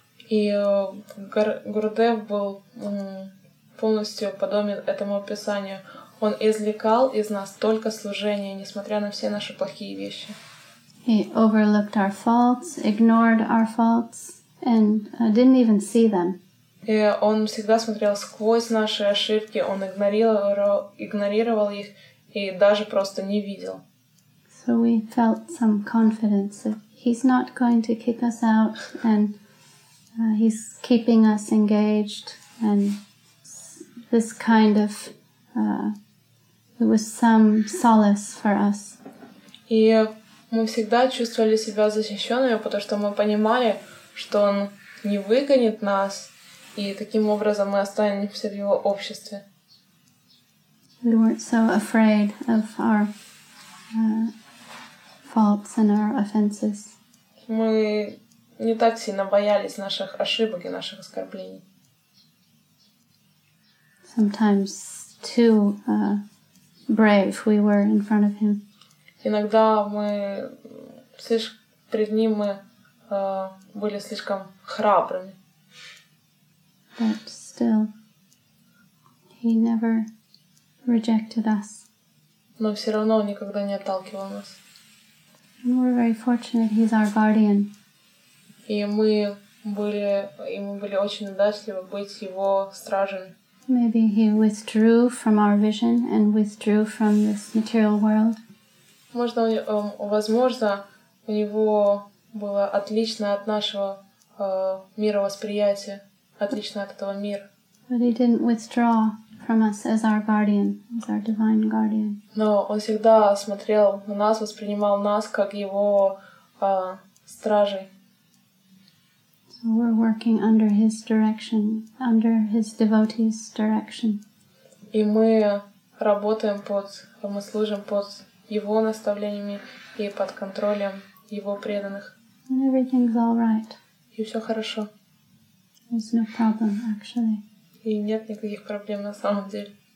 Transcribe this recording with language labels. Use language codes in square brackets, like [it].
[ru] И Гурудев был полностью подобен этому описанию. Он извлекал из нас только служение, несмотря на все наши плохие вещи. [en] He overlooked our faults, ignored our faults, and didn't even see them. [ru] И он всегда смотрел сквозь наши ошибки, он игнорировал их и даже просто не видел. [en] So we felt some confidence that he's not going to kick us out and He's keeping us engaged, and this kind of it was some solace for us. [ru] И мы всегда чувствовали себя защищенными, потому что мы понимали, что он не выгонит нас, и таким образом мы останемся в его обществе. [en] We weren't so afraid of our faults and our offenses. [ru] Мы не так сильно боялись наших ошибок и наших оскорблений. [en] Sometimes too brave we were in front of him. [ru] Иногда мы слишком перед ним мы были слишком храбрыми. [en] But still, he never rejected us. [ru] Но все равно он никогда не отталкивал нас. [en] And we're very fortunate. He's our guardian. [ru] И мы были, и мы были очень удачливы быть его стражами. [en] Maybe he withdrew from our vision and withdrew from this material world. [ru] Можно, возможно, у него было отлично от нашего мировосприятия, отлично от этого мира. [en] But he didn't withdraw from us as our guardian, as our divine guardian. [ru] Но он всегда смотрел на нас, воспринимал нас как его стражей. [en] So we're working under his direction, under his devotee's direction. [ru] И мы работаем под, мы служим под его наставлениями и под контролем его преданных. [en] And everything's all right. [ru] И все хорошо. [en] There's no problem, actually. [ru] И нет никаких проблем на самом деле.